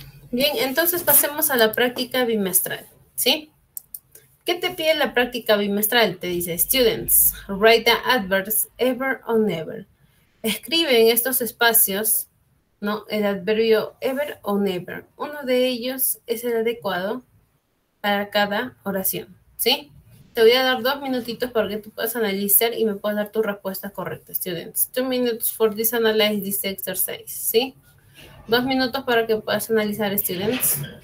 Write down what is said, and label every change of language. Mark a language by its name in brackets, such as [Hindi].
[Spanish] Bien, entonces pasemos a la práctica bimestral, ¿sí? ¿Qué te pide la práctica bimestral? Te dice, [English] students, write the adverbs ever or never. [Spanish] Escribe en estos espacios, ¿no? El adverbio ever or never. Uno de ellos es el adecuado para cada oración, ¿sí? Te voy a dar 2 minutitos para que tú puedas analizar y me puedas dar tu respuesta correcta, students. [English] 2 minutes for this analyze this exercise, [Spanish] ¿sí? 2 minutos para que puedas analizar, [English] students.